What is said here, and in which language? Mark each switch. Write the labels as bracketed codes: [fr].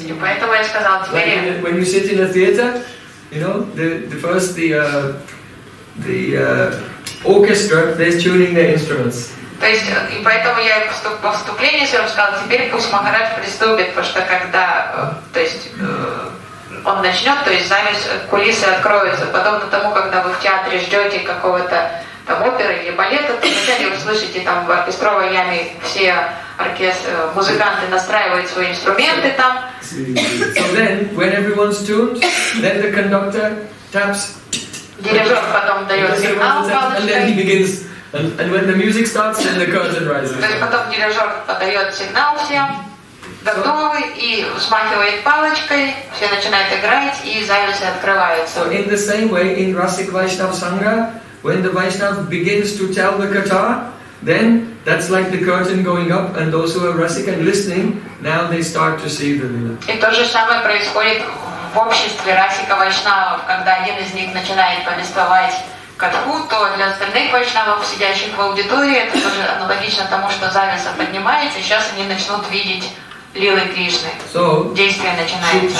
[en] When you sit in a theater, you know, the orchestra, they're tuning their instruments. [ru] То есть, и поэтому я по вступлению своему сказал, теперь пусть Махарадж приступит, потому что когда, то есть, он начнет, то есть, занавес, кулисы откроются, подобно тому, когда вы в театре ждете какого-то там оперы или балета, то вначале вы слышите там в оркестровой яме все оркестр, музыканты настраивают свои инструменты там. [en] So then, when everyone's tuned, then the conductor taps. [ru] Дирижер потом дает сигнал палочкой. [en] And then he begins. And when the music starts, then the curtain rises. [ru] То есть потом дирижер подает сигнал всем. готовы и взмахивает палочкой, все начинают играть и завесы открываются. [en] So in the same way in Rasik Vaishnav Sangha, when the Vaishnav begins to tell the katha, then that's like the curtain going up, and those who are rasic and listening, now they start to see the lila. [ru] И то же самое происходит в обществе расика вайшнавов, когда один из них начинает повествовать катху, то для остальных вайшнавов, сидящих в аудитории, это тоже аналогично тому, что завеса поднимается, сейчас они начнут видеть лилы Кришны. [en] So, [ru] действие начинается.